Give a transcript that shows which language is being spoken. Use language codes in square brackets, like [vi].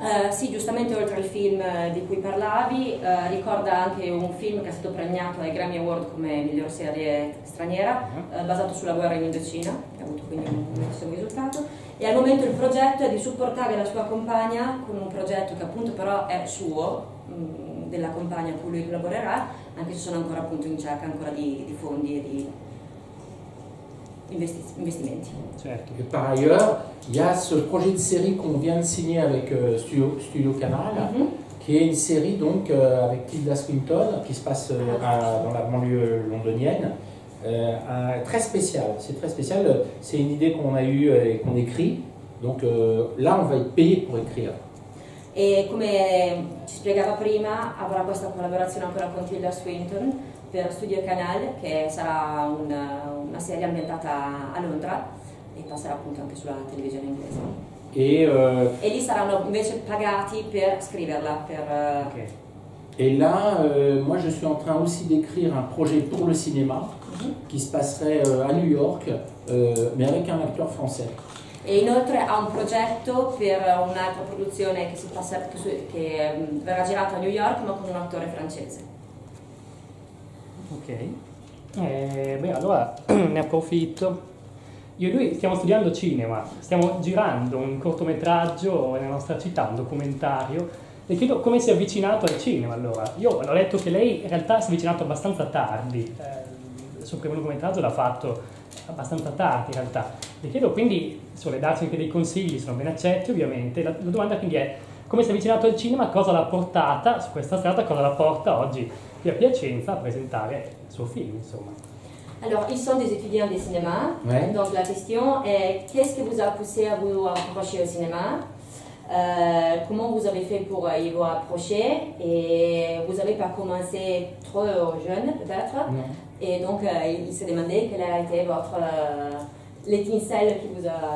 [it] Sì, giustamente oltre al film di cui parlavi, ricorda anche un film che è stato premiato ai Grammy Award come miglior serie straniera, basato sulla guerra in Indocina, che ha avuto quindi un grandissimo risultato. E al momento il progetto è di supportare la sua compagna con un progetto che appunto però è suo, della compagna con cui lui collaborerà, anche se sono ancora appunto in cerca ancora di fondi e di investimenti. Certo. E [fr] par ailleurs, il y a ce projet de série qu'on vient de signer avec Studio Canal, qui est une série donc avec Tilda Swinton, qui se passe dans la banlieue londonienne. Très spécial, c'est très spécial, c'est une idée qu'on a eue et qu'on écrit, donc là on va être payé pour écrire. [it] E come ci spiegava prima, avrà questa collaborazione ancora con Tilda Swinton per Studio Canal, che sarà una serie ambientata a Londra e passerà appunto anche sulla televisione inglese. E lì saranno invece pagati per scriverla. Okay. E [fr] là, moi je suis en train aussi d'écrire un projet pour le cinéma qui se passerait à New York, mais avec un acteur français. [it] E inoltre ha un progetto per un'altra produzione che verrà girata a New York, ma con un attore francese. Ok, allora ne approfitto. Io e lui stiamo studiando cinema, stiamo girando un cortometraggio nella nostra città, un documentario, Le chiedo come si è avvicinato al cinema allora. Io l'ho letto che lei in realtà si è avvicinato abbastanza tardi. Sul primo documentario l'ha fatto abbastanza tardi in realtà. Le chiedo quindi, se vuole darci anche dei consigli, sono ben accetti ovviamente. La domanda quindi è, come si è avvicinato al cinema, cosa l'ha portata su questa strada, cosa la porta oggi qui a Piacenza a presentare il suo film, insomma. [fr] Alors, ils sont des étudiants de cinéma. Ouais. Donc, la question est, qu'est-ce qui vous a poussé à vous approcher au cinéma? Comment vous avez fait pour y vous approcher? Et vous n'avez pas commencé trop jeune, peut-être? Ouais. Et donc, ils se demandaient quelle a été votre l'étincelle qui vous a...